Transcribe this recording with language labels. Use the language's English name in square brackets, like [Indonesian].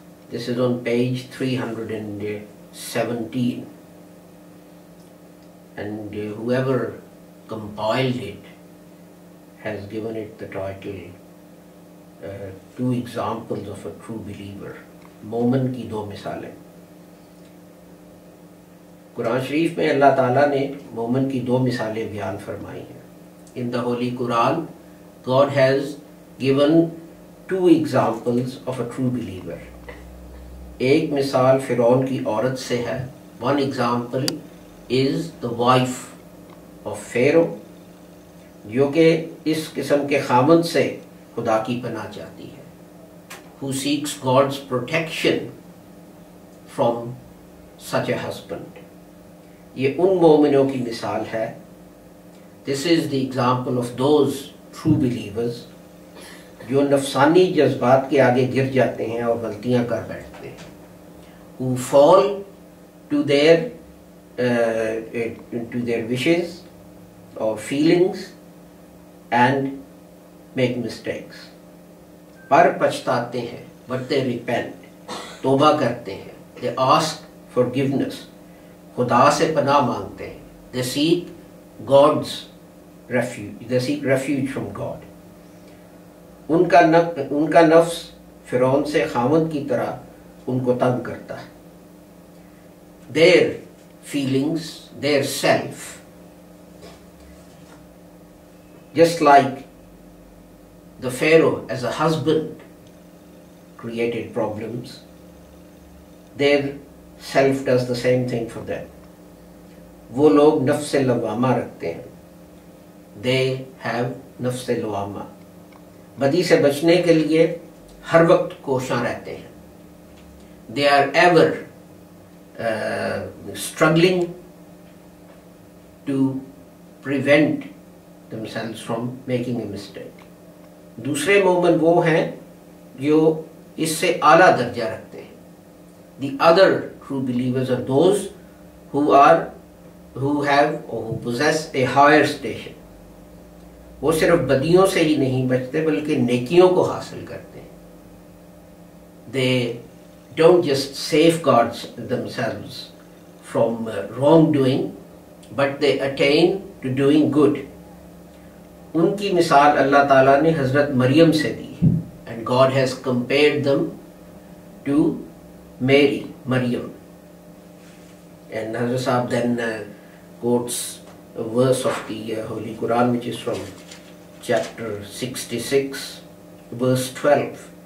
[English] This is on page 317, and whoever compiled it has given it the title Two Examples of a True Believer, [Urdu] Momin Ki Do Misalein. قرآن شریف میں اللہ تعالیٰ نے مومن کی دو مثالیں بیان فرمائی ہیں. [English] In the Holy Quran, God has given two examples of a true believer. [Urdu] ایک مثال فرعون کی عورت سے ہے. [English] One example is the wife of Pharaoh, [Urdu] جو کہ اس قسم کے خامند سے خدا کی پناہ چاہتی ہے. [English] Who seeks God's protection from such a husband. [Urdu] یہ ان مومنوں کی مثال ہے. [English] This is the example of those true believers [Urdu] جو نفسانی جذبات کے آگے گر جاتے ہیں اور غلطیاں کر بیٹھتے ہیں. [English] Who fall to their wishes or feelings and make mistakes. [Urdu] پر پچھتاتے ہیں. [English] But they repent. [Urdu] توبہ کرتے ہیں. [English] They ask forgiveness. [Urdu] خدا سے پناہ مانگتے ہیں. [English] They seek God's refuge. They seek refuge from God. [Urdu] ان کا نفس فرعون سے خامند کی طرح ان کو تنگ کرتا ہے. [English] Their feelings, their self, just like the Pharaoh as a husband created problems, their self does the same thing for them. [Urdu] وہ لوگ نفس لوامہ رکھتے ہیں. [English] They have نفس لوامہ. [Urdu] بدی سے بچنے کے لیے ہر وقت کوشاں رہتے ہیں. [English] They are ever struggling to prevent themselves from making a mistake. [Urdu] دوسرے مومن وہ ہیں جو اس سے اعلیٰ درجہ رکھتے ہیں. [English] The other true believers are those who possess a higher station. [Urdu] وہ صرف بدیوں سے ہی نہیں بچتے بلکہ نیکیوں کو حاصل کرتے ہیں. [English] They don't just safeguard themselves from wrongdoing, but they attain to doing good. [Urdu] ان کی مثال اللہ تعالیٰ نے حضرت مریم سے دی. [English] And God has compared them to Mary, Maryam. And Hazrat Sahib then quotes a verse of the Holy Quran, which is from chapter 66, verse 12.